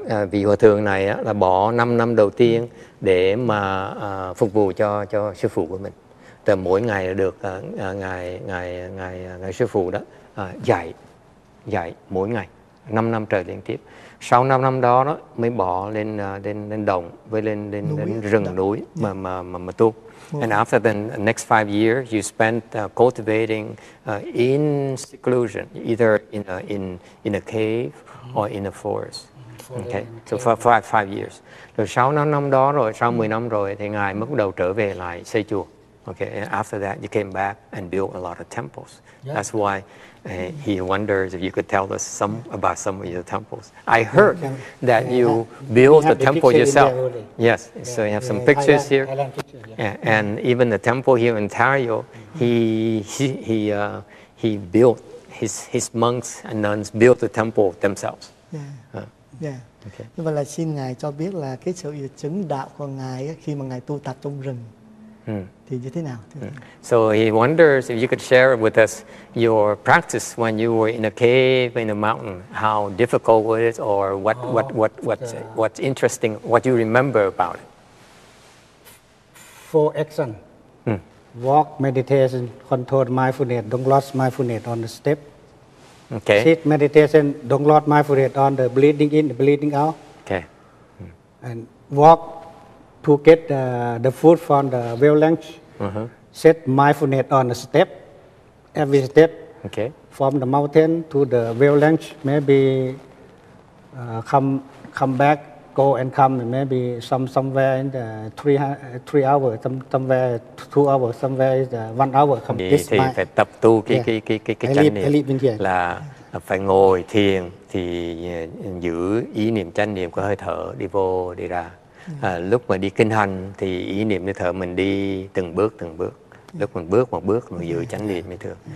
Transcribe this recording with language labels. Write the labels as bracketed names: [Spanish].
[Vietnamese] Vì Hòa Thượng này là bỏ 5 năm đầu tiên để mà phục vụ cho sư phụ của mình. Từ mỗi ngày được ngài sư phụ đó dạy mỗi ngày 5 năm trời liên tiếp. Sau 5 năm đó mới bỏ lên đồng với lên rừng núi mà tu. [English] And after the next 5 years you spent cultivating in seclusion, either in a cave or in a forest. Okay. So for five years. Rồi sau 5 năm đó rồi, sau 10 năm rồi thì ngài mới bắt đầu trở về lại xây chùa. Okay, and after that you came back and built a lot of temples. Yeah. That's why he wonders if you could tell us some about some of your temples. I heard that you built the temple yourself. Yes, yeah. So you have some pictures here. Yeah. And even the temple here in Ontario, he built, his monks and nuns built the temple themselves. Yeah. [Vietnamese] Okay. Và là xin ngài cho biết là cái sự hiệu chứng đạo của ngài khi mà ngài tu tập trong rừng. Thì như thế nào? [English] So he wonders if you could share with us your practice when you were in a cave in a mountain. How difficult was it, or what's interesting? What do you remember about it? Four action: walk, meditation, control mindfulness. Don't lost mindfulness on the step. Okay. Sit, meditation. Don't lost mindfulness on the breathing in, the breathing out. Okay. And walk. To get the food from the wavelength, set mindfulness on a step, every step, okay. From the mountain to the wavelength, maybe come back, go and come, maybe somewhere in the three hours, somewhere 2 hours, somewhere is 1 hour. [Vietnamese] Thì phải tập tu cái chánh niệm là phải ngồi thiền thì giữ ý niệm chánh niệm của hơi thở đi vô đi ra. Lúc mà đi kinh hành thì ý niệm như thở mình đi từng bước, lúc mình bước một bước mình giữ chánh niệm như thường.